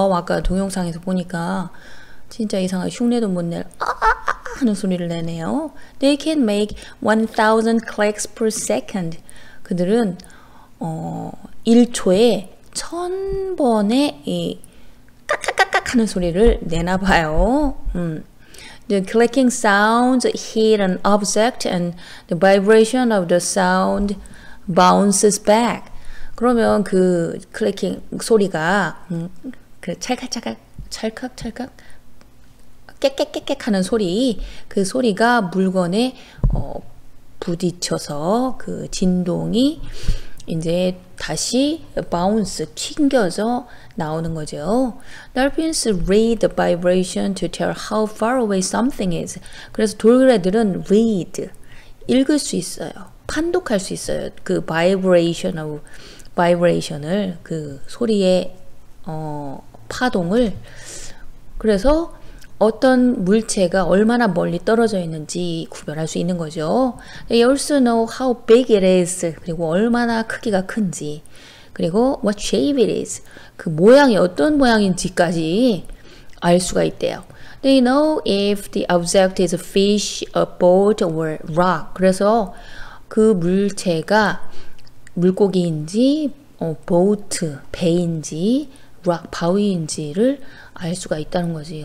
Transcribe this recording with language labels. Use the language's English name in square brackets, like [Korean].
[Korean] 아까 동영상에서 보니까 진짜 이상하게 흉내도 못 낼 하는 소리를 내네요. [English] They can make 1,000 clicks per second. [Korean] 그들은 1초에 1,000번의 이 까까까까 하는 소리를 내나 봐요. [English] The clicking sounds hit an object and the vibration of the sound bounces back. [Korean] 그러면 그 clicking 소리가 그 찰칵찰칵 깨깨깨깨 하는 소리, 그 소리가 물건에 부딪혀서 그 진동이 이제 다시 bounce, 튕겨져 나오는 거죠. [English] Dolphins read the vibration to tell how far away something is. [Korean] 그래서 돌고래들은 read, 읽을 수 있어요. 판독할 수 있어요. 그 vibration을, 그 소리의 파동을. 그래서 어떤 물체가 얼마나 멀리 떨어져 있는지 구별할 수 있는 거죠. [English] They also know how big it is. 그리고 얼마나 크기가 큰지. 그리고 what shape it is. [Korean] 그 모양이 어떤 모양인지까지 알 수가 있대요. [English] They know if the object is a fish, a boat, or rock. [Korean] 그래서 그 물체가 물고기인지, 보트, 배인지, rock, 바위인지를 알 수가 있다는 거지.